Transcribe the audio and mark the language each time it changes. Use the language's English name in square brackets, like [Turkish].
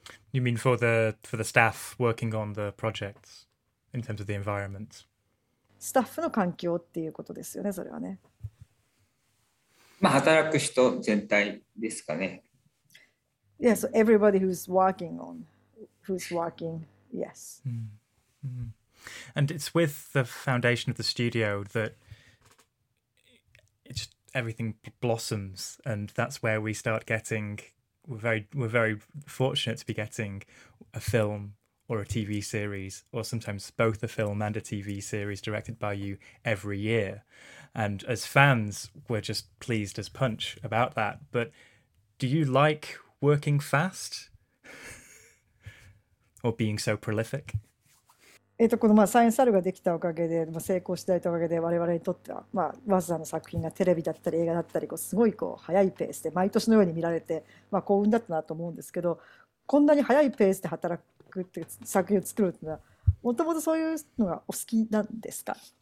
[English] You mean for the staff working on the projects in terms of the environment? [Japanese] Staff の環境っていうことですよね、それはね。まあ、働く人全体ですかね。 [English] Yeah, so everybody who's working, yes. Mm-hmm. And it's with the foundation of the studio that it's everything blossoms, and that's where we start getting, we're very fortunate to be getting a film or a TV series, or sometimes both a film and a TV series directed by you every year. And as fans, we're just pleased as punch about that. But do you like working fast or being so prolific? [Japanese] このまあサイエンスアルができたおかげで、まあ、成功したおかげで我々にとっては、まあ、わざわざの作品がテレビだったり映画だったりこうすごいこう早いペースで毎年のように見られて、まあ、幸運だったなと思うんですけど、こんなに早いペースで働くっていう作品を作るというのはもともとそういうのがお好きなんですか？